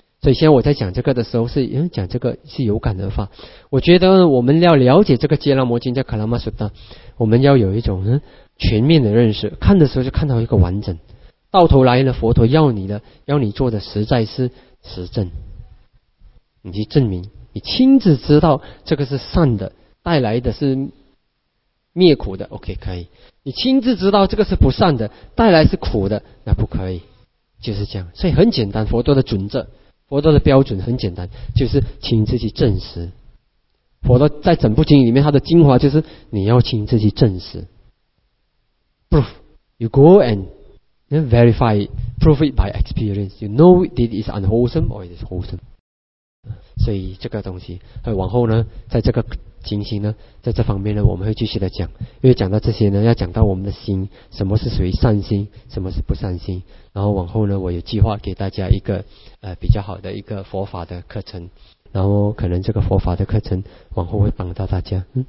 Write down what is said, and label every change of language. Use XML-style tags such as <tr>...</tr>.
<zh>所以现在我在讲这个的时候是讲这个是有感而发，我觉得我们要了解这个揭拉摩经叫卡拉玛苏达，我们要有一种全面的认识，看的时候就看到一个完整，到头来呢佛陀要你的，要你做的实在是实证，你去证明，你亲自知道这个是善的，带来的是灭苦的， OK 可以，你亲自知道这个是不善的，带来是苦的，那不可以，就是这样。所以很简单，佛陀的准则，佛陀的标准很简单，就是亲自去证实。佛陀在整部经里面，他的精华就是你要亲自去证实。</zh> <en>Proof, you go and verify, prove it by experience. You know it is unwholesome or it is wholesome.</en> <zh>所以这个东西，往后呢，在这个情形呢，在这方面呢，我们会继续的讲，因为讲到这些呢，要讲到我们的心，什么是属于善心，什么是不善心。然后往后呢，我有计划给大家一个比较好的一个佛法的课程，然后可能这个佛法的课程往后会帮到大家。</zh>